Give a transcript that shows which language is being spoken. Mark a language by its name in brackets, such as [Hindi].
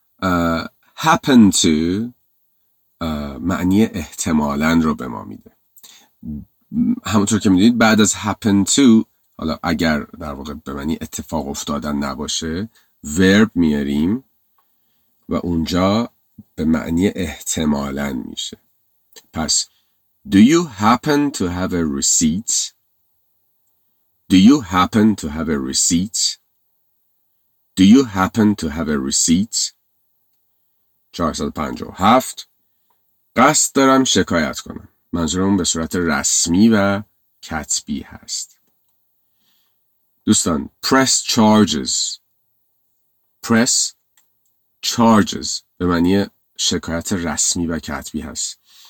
[Persian] happen to معنی احتمالاً رو به ما میده. همونطور که میدونید بعد از happen to، حالا اگر در واقع به معنی اتفاق افتادن نباشه، verb میاریم و اونجا به معنی احتمالاً میشه. پس [English] do you happen to have a receipt؟ Do you happen to have a receipt؟ Do you happen to have a receipt؟ 457. [Persian] قصد دارم شکایت کنم. منظورم به صورت رسمی و کتبی هست. دوستان، [English] press charges. [Persian] Press charges به معنی شکایت رسمی و کتبی هست.